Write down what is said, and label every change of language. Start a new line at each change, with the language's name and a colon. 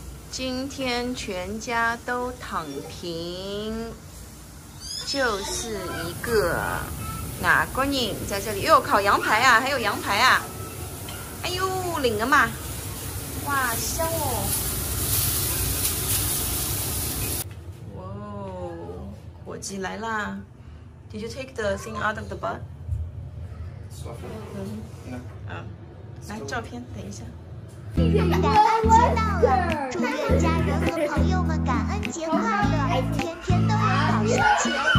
Chinese: 今天全家都躺平，就是一个外国人在这里，哟，烤羊排啊，还有羊排啊，哎呦，领了嘛。哇，香哦！哇，火鸡来啦
English: ！Did you take the thing out of the bud？
Chinese: 嗯，来照片，等一下。感恩节到了，祝愿家人和朋友们感恩节快乐，天天都有好心情。